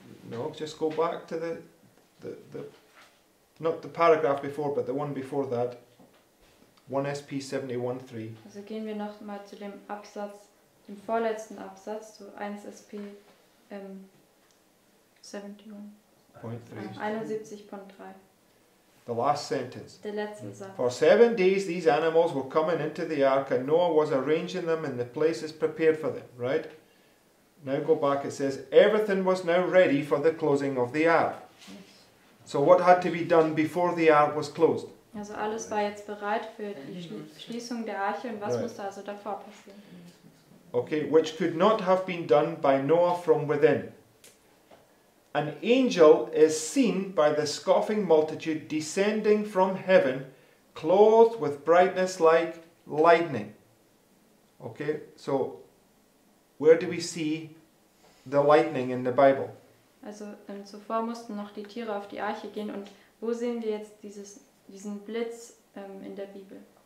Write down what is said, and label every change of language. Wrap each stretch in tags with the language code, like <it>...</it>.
<en>No, just go back to the not the paragraph before, but the one before that. 1 SP 71.3.</en> <de>Also gehen wir noch mal zu dem Absatz, dem vorletzten Absatz, zu 1 SP 71.3.</de> <en>The last sentence.</en> <de>Der letzte Satz.</de> <en>For 7 days these animals were coming into the ark and Noah was arranging them in the places prepared for them, right? Now go back, it says, everything was now ready for the closing of the ark. So what had to be done before the ark was closed?</en> <de>Also alles war jetzt bereit für die Schließung der Arche und was right. musste also davor passieren?</de> <en>Okay, which could not have been done by Noah from within. An angel is seen by the scoffing multitude descending from heaven, clothed with brightness like lightning. Okay, so where do we see the lightning in the Bible?</en> <de>Also zuvor mussten noch die Tiere auf die Arche gehen und wo sehen wir jetzt diesen Blitz in der Bibel?</de>